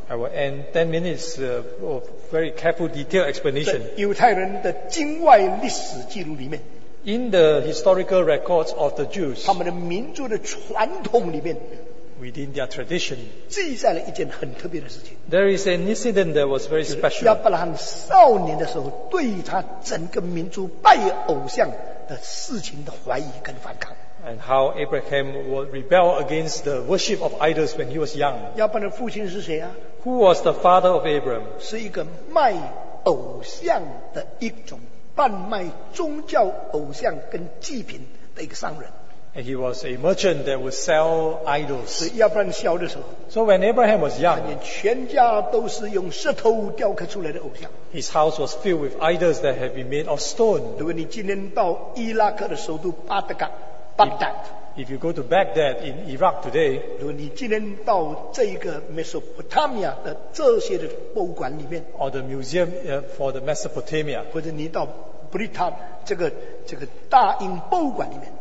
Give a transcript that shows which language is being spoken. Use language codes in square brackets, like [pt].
[en] I will end 10 minutes of very careful, detailed explanation. [zh] 在犹太人的境外历史记录里面。 [en] In the historical records of the Jews. [zh] 他们的民族的传统里面。 [en] Within their tradition, [zh] 记载了一件很特别的事情。 [en] There is an incident that was very special. [zh] 亚伯拉罕少年的时候，对他整个民族拜偶像的事情的怀疑跟反抗。 [en] And how Abraham would rebel against the worship of idols when he was young. [zh] 亚伯拉罕父亲是谁啊？ [en] Who was the father of Abraham? [zh] 是一个卖偶像的一种，贩卖宗教偶像跟祭品的一个商人。 [en] And he was a merchant that would sell idols. [zh] 亚伯兰小的时候, [en] so when Abraham was young, his house was filled with idols that had been made of stone. [zh] 如果你今天到伊拉克的首都巴德卡, [en] if you go to Baghdad in Iraq today, [zh] 如果你今天到这个Mesopotamia的这些的博物馆里面, [en] or the museum for the Mesopotamia, [zh] 或者你到 Britain这个大英博物馆里面,